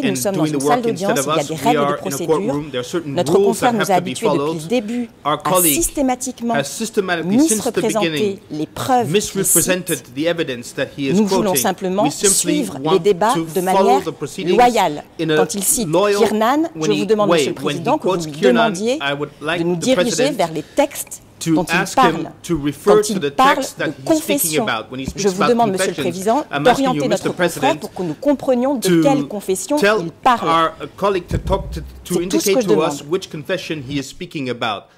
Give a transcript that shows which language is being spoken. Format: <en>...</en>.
<fr>Nous sommes dans une salle d'audience, il y a des règles de procédure. Notre confrère nous a habitués depuis le début à systématiquement misrepresenter les preuves qu'il cite. Nous voulons simplement suivre les débats de manière loyale. Quand il cite Kiernan, je vous demande, Monsieur le Président, que vous lui demandiez de nous diriger vers les textes</fr> <en>to ask him to refer to the text that he's speaking about. When he speaks about confessions, I'm asking you, Mr. President, I'm asking you, Mr.</en> <fr>President, pour que nous comprenions de quelle confession il parle.</fr> <en>Our colleague to indicate to us which confession he is speaking about.</en>